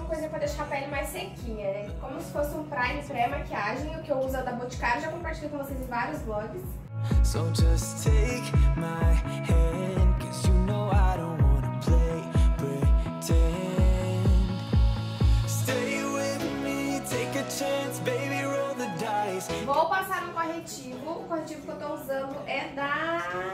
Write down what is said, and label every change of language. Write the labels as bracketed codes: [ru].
[pt] pra deixar a pele mais sequinha, né? Como se fosse um prime pré-maquiagem, o que eu uso é da Boticário, já compartilhei com vocês em vários vlogs. [en] So just take my hand, cause you know I don't wanna play pretend. Stay with me, take a chance, baby, roll the dice. [pt] Vou passar um corretivo. O corretivo que eu tô usando é da...